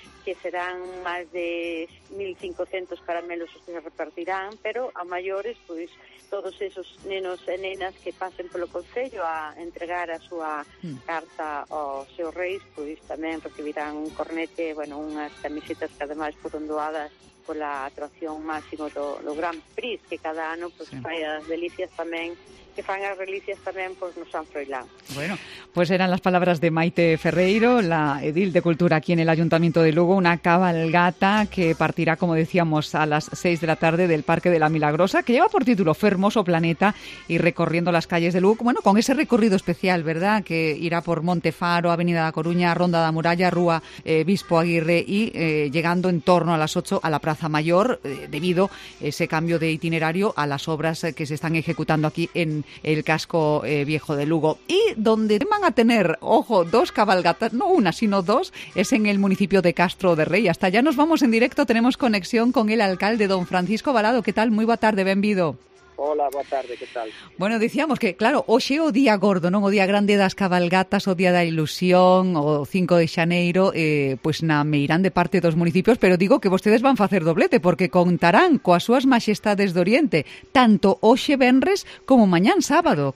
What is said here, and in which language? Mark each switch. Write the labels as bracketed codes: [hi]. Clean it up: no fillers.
[gl] que serán máis de 1.500 caramelos os que se repartirán, pero a maiores pues, todos esos nenos e nenas que pasen polo concello a entregar a súa carta aos seus reis, pues, tamén recibirán un cornete, bueno, unhas camisetas que ademais foron doadas pola atracción máximo do Grand Prix, que cada ano pues, fai as delicias tamén, que fan as relicias tamén pois pues, no San Froilán. [es] Bueno, pues eran las palabras de Maite Ferreiro, la edil de Cultura aquí en el Ayuntamiento de Lugo, una cabalgata que partirá, como decíamos, a las 6 de la tarde del Parque de la Milagrosa, que lleva por título Fermoso Planeta, y recorriendo las calles de Lugo, bueno, con ese recorrido especial, ¿verdad?, que irá por Montefaro, Avenida de la Coruña, Ronda de la Muralla, Rúa Bispo Aguirre y llegando en torno a las 8 a la Plaza Mayor, debido ese cambio de itinerario a las obras que se están ejecutando aquí en el casco viejo de Lugo. Y donde van a tener, ojo, dos cabalgatas, no una, sino dos, es en el municipio de Castro de Rey. Hasta allá nos vamos en directo, tenemos conexión con el alcalde, don Francisco Varado. ¿Qué tal? Muy buena tarde, bienvenido. [gl] Hola, boa tarde, que tal? Bueno, dicíamos que, claro, hoxe é o día gordo, non? O día grande das cabalgatas, o día da ilusión, o 5 de Xaneiro, pues na Meirán de parte dos municipios, pero digo que vostedes van facer doblete, porque contarán coas súas maxestades do Oriente, tanto hoxe venres como mañán sábado.